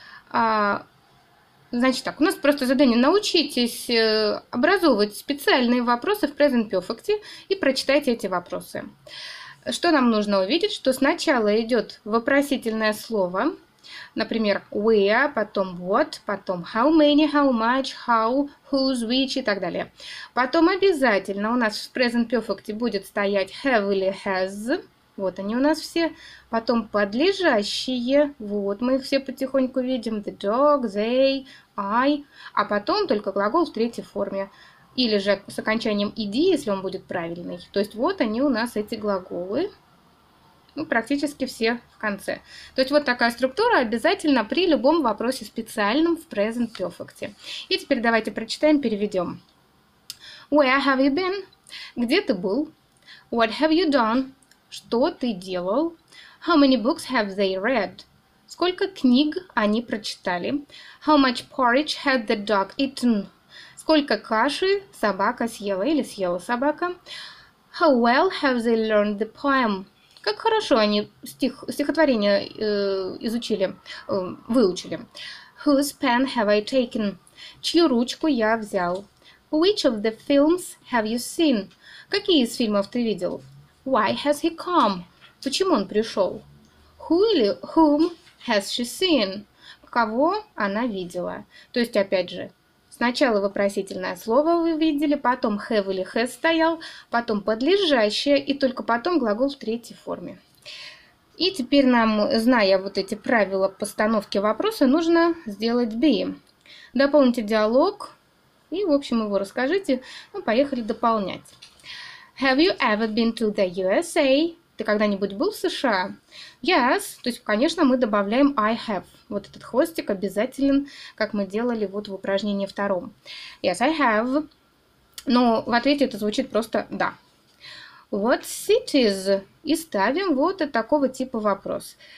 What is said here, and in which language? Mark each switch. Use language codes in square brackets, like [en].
[ru] Значит так, у нас просто задание. Научитесь образовывать специальные вопросы в Present Perfect и прочитайте эти вопросы. Что нам нужно увидеть? Что сначала идет вопросительное слово. Например, [en] where, [ru] потом [en] what, [ru] потом [en] how many, how much, how, whose, which [ru] и так далее. Потом обязательно у нас в present perfect будет стоять have или has. Вот они у нас все. Потом подлежащие. Вот мы их все потихоньку видим. [en] The dog, they, I. [ru] А потом только глагол в третьей форме. Или же с окончанием -ed, если он будет правильный. То есть вот они у нас, эти глаголы. Ну, практически все в конце. То есть вот такая структура обязательно при любом вопросе специальном в present perfect. И теперь давайте прочитаем, переведем. [en] Where have you been? [ru] Где ты был? [en] What have you done? [ru] Что ты делал? [en] How many books have they read? [ru] Сколько книг они прочитали? [en] How much porridge had the dog eaten? [ru] Сколько каши собака съела или съела собака? [en] How well have they learned the poem? [ru] Как хорошо они стихотворение изучили, выучили. [en] Whose pen have I taken? [ru] Чью ручку я взял? [en] Which of the films have you seen? [ru] Какие из фильмов ты видел? [en] Why has he come? [ru] Почему он пришел? [en] Whom has she seen? [ru] Кого она видела? То есть, опять же, сначала вопросительное слово вы видели, потом have или has стоял, потом подлежащее и только потом глагол в третьей форме. И теперь нам, зная вот эти правила постановки вопроса, нужно сделать be. Дополните диалог и, в общем, его расскажите. Ну, поехали дополнять. [en] Have you ever been to the USA? [ru] Ты когда-нибудь был в США? [en] Yes. [ru] То есть, конечно, мы добавляем [en] I have. [ru] Вот этот хвостик обязателен, как мы делали вот в упражнении втором. [en] Yes, I have. [ru] Но в ответе это звучит просто да. [en] What cities? [ru] И ставим вот от такого типа вопрос.